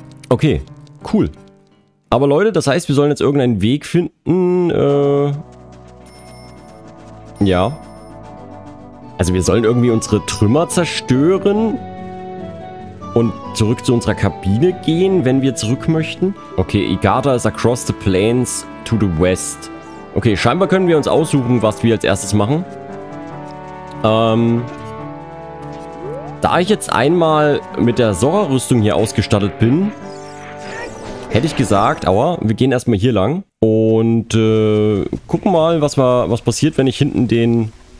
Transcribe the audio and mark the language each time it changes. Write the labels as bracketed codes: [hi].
[de] Okay, cool. Aber Leute, das heißt, wir sollen jetzt irgendeinen Weg finden, ja. Also wir sollen irgendwie unsere Trümmer zerstören und zurück zu unserer Kabine gehen, wenn wir zurück möchten. [en] Okay, Igata is across the plains to the west. [de] Okay, scheinbar können wir uns aussuchen, was wir als erstes machen. Da ich jetzt einmal mit der Sora-Rüstung hier ausgestattet bin, hätte ich gesagt, aber wir gehen erstmal hier lang und gucken mal, was passiert, wenn ich hinten den...